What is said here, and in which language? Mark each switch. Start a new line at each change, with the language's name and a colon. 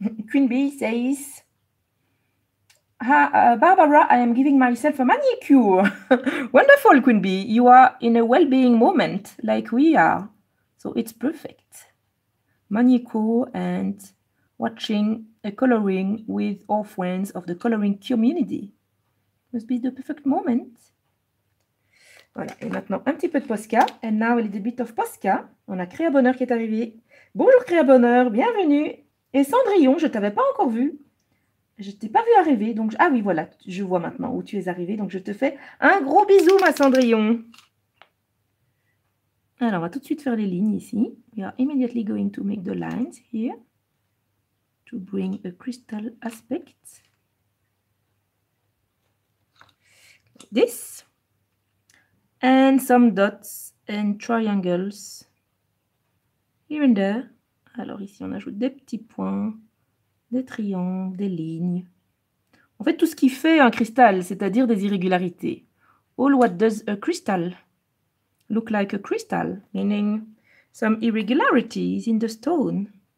English: Queen Bee says, Barbara, I am giving myself a manicure. Wonderful, Queen Bee. You are in a well-being moment like we are. So it's perfect. Manicure and watching a coloring with our friends of the coloring community. Must be the perfect moment.
French: Voilà, et maintenant un petit peu de Posca.
English: And now a little bit of Posca.
French: On a Créa Bonheur qui est arrivé. Bonjour Créa Bonheur, bienvenue. Et Cendrillon, je ne t'avais pas encore vu. Je ne t'ai pas vu arriver. Donc, ah oui, voilà, je vois maintenant où tu es arrivée. Donc je te fais un gros bisou, ma Cendrillon. Alors, on va tout de suite faire les lignes ici.
English: We are immediately going to make the lines here. To bring a crystal aspect. This. And some dots and triangles here and there.
French: Alors ici, on ajoute des petits points, des triangles, des lignes. En fait, tout ce qui fait un cristal, c'est-à-dire des irrégularités.
English: All what does a crystal look like a crystal, meaning some irregularities in the stone.